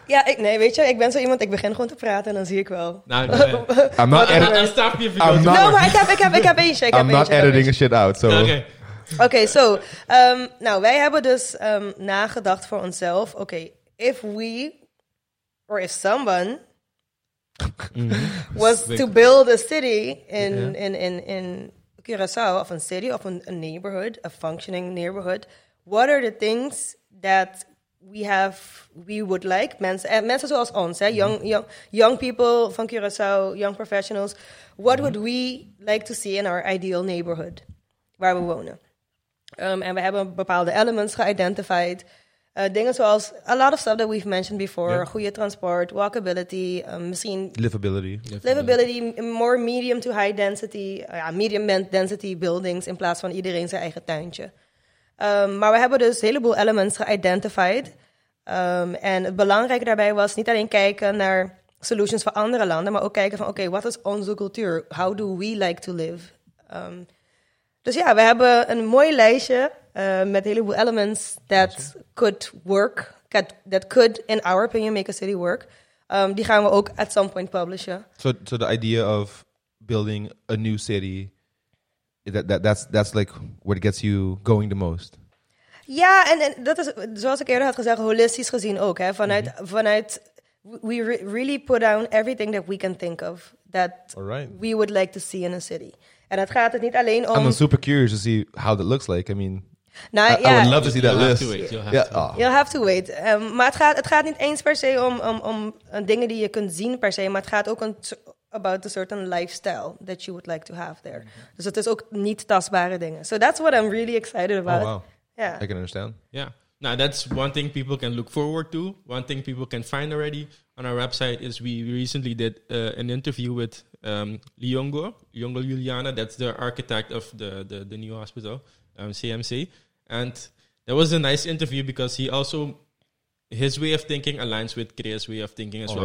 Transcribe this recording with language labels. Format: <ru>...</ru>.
<nl>yeah, ik, nee, weet je, ik ben zo iemand, ik begin gewoon te praten en dan zie ik wel.</nl> <en>I'm not editing. I'm not editing shit out, so okay.</en> <nl>Okay, so wij hebben dus nagedacht voor onszelf.</nl> <en>Okay, if someone was to build a city in Curaçao, of a city, of a neighborhood, a functioning neighborhood, what are the things that we would like,</en> <nl>mensen zoals ons,</nl> <en>hey, young people from Curaçao, young professionals, what would we like to see in our ideal neighborhood where we</en> <nl>wonen? And we hebben bepaalde elements geïdentificeerd. Dingen zoals</nl> <en>a lot of stuff that we've mentioned before.</en> <nl>Yeah. Goede transport, walkability, misschien...</nl> <en>Livability, more medium to high density. Medium density buildings</en> <nl>in plaats van iedereen zijn eigen tuintje. Maar we hebben dus een heleboel elements geïdentificeerd. En het belangrijke daarbij was niet alleen kijken naar solutions van andere landen, maar ook kijken van, okay, wat is onze cultuur?</nl> <en>How do we like to live?</en> <nl>Dus we hebben een mooi lijstje met een heleboel</nl> <en>elements that could work, that could, in our opinion, make a city work.</en> <nl>Die gaan we ook</nl> <en>at some point</en> <nl>publishen.</nl> <en>So the idea of building a new city, that's like what gets you going the most?</en> <nl>Ja, en dat is, zoals ik eerder had gezegd, holistisch gezien ook. Hè, vanuit</nl> <en>we really put down everything that we can think of that we would like to see in a city.</en> <nl>En het gaat het niet alleen om...</nl> <en>I'm super curious to see how that looks like. I mean, I would love to see that list. You'll have to wait.</en> <nl>Maar het gaat niet eens per se om dingen die je kunt zien per se. Maar het gaat ook</nl> <en>about a certain lifestyle that you would like to have there. Mm-hmm.</en> <nl>Dus het is ook niet tastbare dingen.</nl> <en>So that's what I'm really excited about. Oh, wow. Yeah. I can understand. Yeah. Now, that's one thing people can look forward to. One thing people can find already on our website is we recently did an interview with Liongo Juliana. That's the architect of the new hospital, CMC. And that was a nice interview because he also, his way of thinking aligns with Kreia's way of thinking as well.</en>